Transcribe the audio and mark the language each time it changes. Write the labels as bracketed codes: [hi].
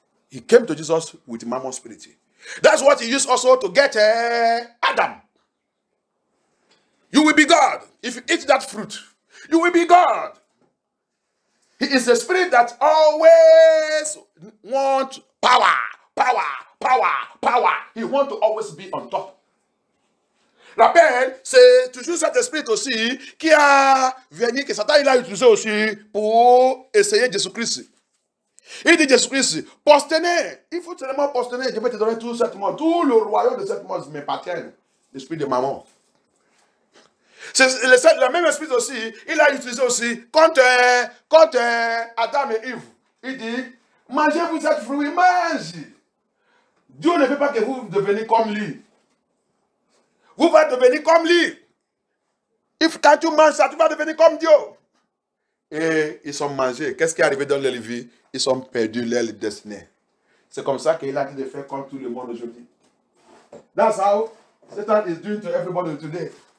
[en] He came to Jesus with Mammon spirit. That's what he used also to get Adam. You will be God if you eat that fruit. You will be God. He is the spirit that always wants power, power, power, power. He wants to always be on top. [fr] Rappel, c'est toujours cet esprit aussi qui a venu, que Satan il a utilisé aussi pour essayer Jésus-Christ. Il dit Jésus Christ, postenez, il faut seulement postenez, je vais te donner tout ce monde, tout le royaume de ce monde m'appartient, l'esprit de Mammon. C'est le même esprit aussi, il a utilisé aussi, quand Adam et Eve, il dit, mangez-vous cette fruit, mange. Dieu ne veut pas que vous deveniez comme lui. Vous allez devenir comme lui. If, quand tu manges ça, tu vas devenir comme Dieu. Et ils sont mangés. Qu'est-ce qui est arrivé dans leur vie? Ils sont perdus leur destinée. C'est comme ça qu'il a dit de faire comme tout le monde aujourd'hui. [en] That's how Satan is doing to everybody today.